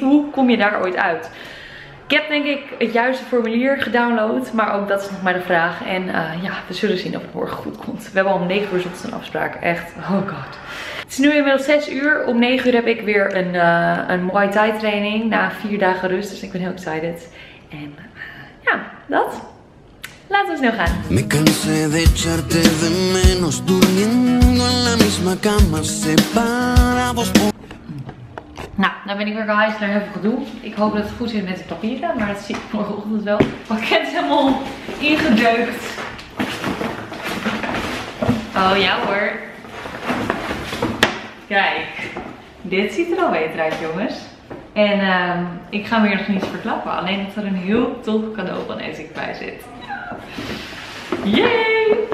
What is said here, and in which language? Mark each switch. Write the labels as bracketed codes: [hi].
[nl] Hoe kom je daar ooit uit? Ik heb denk ik het juiste formulier gedownload, maar ook dat is nog maar de vraag. En ja, we zullen zien of het morgen goed komt. We hebben al om 9 uur zochtend een afspraak, echt, oh god. Het is nu inmiddels 6 uur, om 9 uur heb ik weer een Muay Thai training na 4 dagen rust. Dus ik ben heel excited. En ja, dat. Laten we snel gaan. [es] Me cansé de echarte de menos, durmiendo en la misma cama, separados por... [nl] Nou, dan ben ik weer geweest naar heel veel gedoe. Ik hoop dat het goed zit met de papieren, maar dat zie ik morgenochtend wel. Het pakket is helemaal ingedeukt. Oh ja hoor. Kijk, dit ziet er al beter uit jongens. En ik ga me hier nog niets verklappen, alleen dat er een heel tof cadeau van Essex bij zit. Yay!